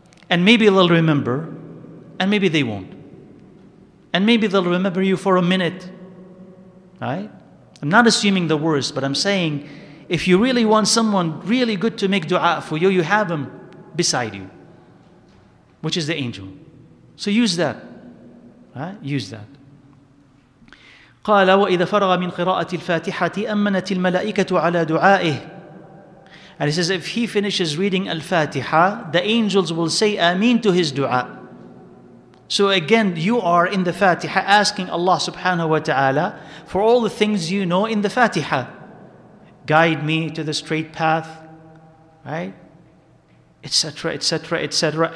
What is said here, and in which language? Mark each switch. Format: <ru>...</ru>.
<en>And maybe they'll remember, and maybe they won't. And maybe they'll remember you for a minute. Right? I'm not assuming the worst, but I'm saying, if you really want someone really good to make dua for you, you have him beside you, which is the angel. So use that. Right? Use that.</en> <ar>قال وإذا فرغ من قراءة الفاتحة أمنت الملائكة على دعائه.</ar> <en>And he says, if he finishes reading Al-Fatiha, the angels will say Ameen to his dua. So again, you are in the Fatiha asking Allah subhanahu wa ta'ala for all the things you know in the Fatiha. Guide me to the straight path, right? Etc., etc., etc.</en>